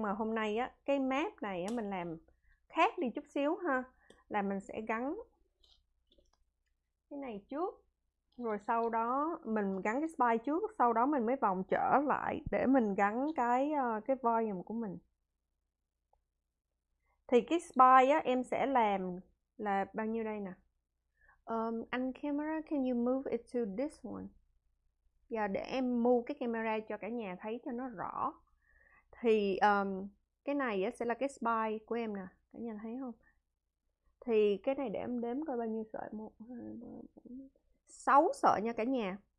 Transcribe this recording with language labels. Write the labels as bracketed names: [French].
[Vietnamese] Nhưng mà hôm nay á cái map này á mình làm khác đi chút xíu ha, là mình sẽ gắn cái này trước. Rồi sau đó mình gắn cái spy trước, sau đó mình mới vòng trở lại để mình gắn cái volume của mình. Thì cái spy á em sẽ làm là bao nhiêu đây nè. [English] Anh camera, can you move it to this one? [Vietnamese] Giờ để em move cái camera cho cả nhà thấy cho nó rõ. Thì cái này á sẽ là cái spy của em nè, cả nhà thấy không? Thì cái này để em đếm coi bao nhiêu sợi. 1 2 3 4 5 6 sợi nha cả nhà.